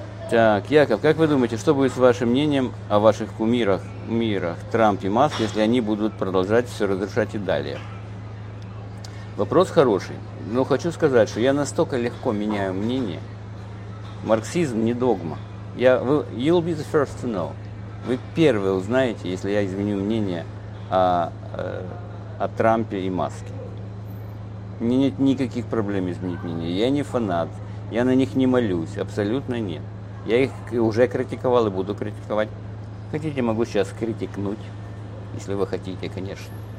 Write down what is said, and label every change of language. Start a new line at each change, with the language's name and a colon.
Russian: Так, Яков, как вы думаете, что будет с вашим мнением о ваших кумирах, Трамп и Маск, если они будут продолжать все разрушать и далее? Вопрос хороший, но хочу сказать, что я настолько легко меняю мнение. Марксизм не догма.
English: You'll be the first to know.
Russian: Вы первые узнаете, если я изменю мнение о Трампе и Маске. Мне нет никаких проблем изменить мнение. Я не фанат, я на них не молюсь, абсолютно нет. Я их уже критиковал и буду критиковать. Хотите, могу сейчас критикнуть, если вы хотите, конечно.